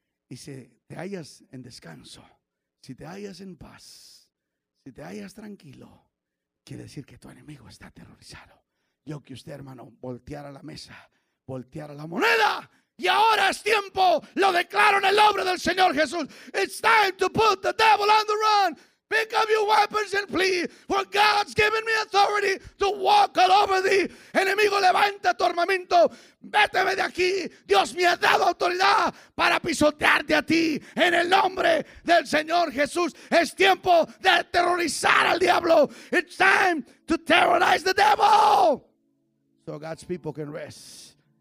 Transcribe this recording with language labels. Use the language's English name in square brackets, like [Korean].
[Spanish] Y si te hallas en descanso, si te hallas en paz, si te hallas tranquilo, quiere decir que tu enemigo está aterrorizado. Yo que usted, hermano, volteara la mesa, volteara la moneda, y ahora es tiempo, lo declaro en el nombre del Señor Jesús. [English] It's time to put the devil on the run. Pick up your weapons and flee, for God's given me authority to walk all over thee. [Spanish] Enemigo, levanta tu armamento. Véteme de aquí. Dios me ha dado autoridad para pisotearte a ti. En el nombre del Señor Jesús, es tiempo de aterrorizar al diablo. [English] It's time to terrorize the devil, so God's people can rest.